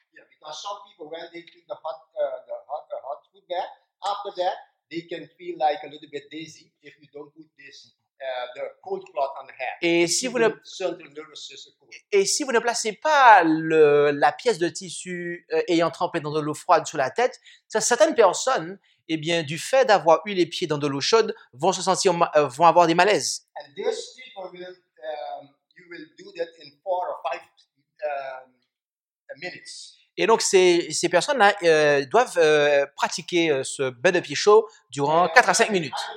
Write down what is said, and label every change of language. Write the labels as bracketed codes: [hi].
[en] Yeah, because some people when they take the hot food bath, After that, they can feel like a little bit dizzy if you don't put this the cold clot on the head. [fr] Et si vous ne placez pas la pièce de tissu ayant trempé dans de l'eau froide sur la tête, certaines personnes, eh bien, du fait d'avoir eu les pieds dans de l'eau chaude, vont se sentir vont avoir des malaises. [en] And this treatment will you will do that in 4 or 5 minutes. [fr] Et donc, ces personnes-là doivent pratiquer ce bain de pieds chaud durant 4 à 5 minutes.